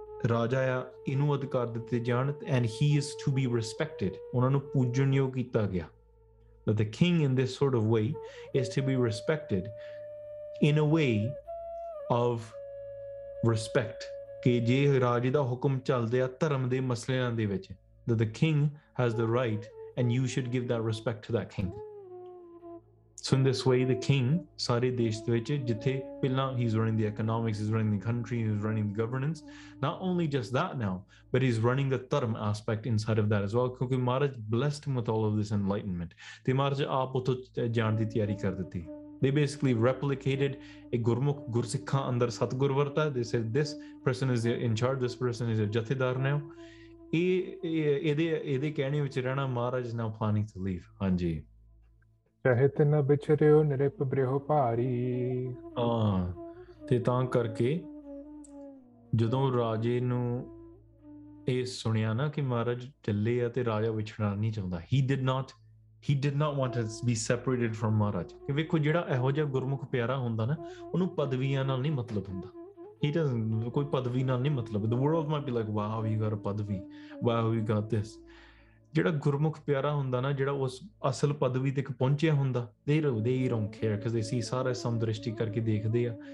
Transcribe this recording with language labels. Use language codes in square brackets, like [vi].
[pa] ਰਾਜਾ ਆ ਇਹਨੂੰ ਅਧਿਕਾਰ ਦਿੱਤੇ ਜਾਣ [en] and he is to be respected [pa] ਉਹਨਾਂ ਨੂੰ ਪੂਜਣਯੋਗ ਕੀਤਾ ਗਿਆ [en] the king in this sort of way is to be respected in a way of respect [pa] ਕਿ ਜੇ ਰਾਜ ਦਾ ਹੁਕਮ ਚੱਲਦੇ ਆ ਧਰਮ ਦੇ ਮਸਲਿਆਂ ਦੇ ਵਿੱਚ [en] the king has the right and you should give that respect to that king So in this way, the king, [pa] sare desh de vich, jithe pehla [en] he's running the economics, he's running the country, he's running the governance. Not only just that now, but he's running the dharm aspect inside of that as well. Because Maharaj blessed him with all of this enlightenment. The Maharaj [pa] aap utho jaan di tiyari kar ditti. [en] They basically replicated a [pa] gurmukh gursikha andar satgur varta. [en] They said, this person is in charge, this person is a jathedar now. [pa] Ede kehne vich rehna, [en] Maharaj is now planning to leave. [pa] Hanji. ਚਹਿਤ ਨ ਬਿਛਰਿਓ ਨਿਰਿਪ ਬ੍ਰਿਹੋ ਭਾਰੀ ਹਾਂ ਤੇ ਤਾਂ ਕਰਕੇ ਜਦੋਂ ਰਾਜੇ ਨੂੰ ਇਹ ਸੁਣਿਆ ਨਾ ਕਿ ਮਹਾਰਾਜ ਚੱਲੇ ਆ ਤੇ ਰਾਜਾ ਵਿਛੜਨਾ ਨਹੀਂ ਚਾਹੁੰਦਾ [en] he did not want to be separated from [pa] ਮਹਾਰਾਜ ਕਿ ਵੇਖੋ ਜਿਹੜਾ ਇਹੋ ਜਿਹਾ ਗੁਰਮੁਖ ਪਿਆਰਾ ਹੁੰਦਾ ਨਾ ਉਹਨੂੰ ਪਦਵੀਆਂ ਨਾਲ ਨਹੀਂ ਮਤਲਬ ਹੁੰਦਾ [en] he doesn't [pa] ਕੋਈ ਪਦਵੀ ਨਾਲ ਨਹੀਂ ਮਤਲਬ [en] the world might be like ਵਾਹ we got a padvi ਵਾਹ we got this [pa] ਜਿਹੜਾ ਗੁਰਮੁਖ ਪਿਆਰਾ ਹੁੰਦਾ ਨਾ ਜਿਹੜਾ ਉਸ ਅਸਲ ਪਦਵੀ ਤੱਕ ਪਹੁੰਚਿਆ ਹੁੰਦਾ ਸਾਰਾ ਸਮਦ੍ਰਿਸ਼ਟੀ ਕਰਕੇ ਦੇਖਦੇ ਆ